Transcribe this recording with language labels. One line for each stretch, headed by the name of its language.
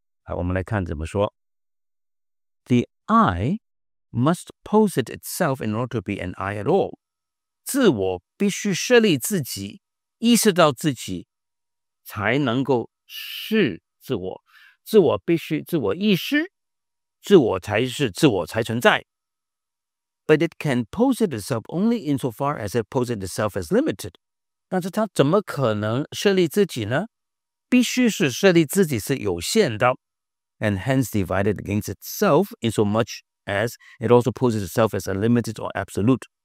Chinese: 连他自己所受的限制也不可能自己设立的。好，我们来看怎么说。
English: The I must pose it itself in order to be an I at all.
Chinese: 自我必须设立自己，意识到自己。才能够是自我，自我必须自我意识，自我才是自我才存在。
English: But it can pose it itself only insofar as it poses itself as limited.
Chinese: 但是它怎么可能设立自己呢？必须是设立自己是有限的。
English: And hence divided against itself in so much as it also poses itself as unlimited or absolute.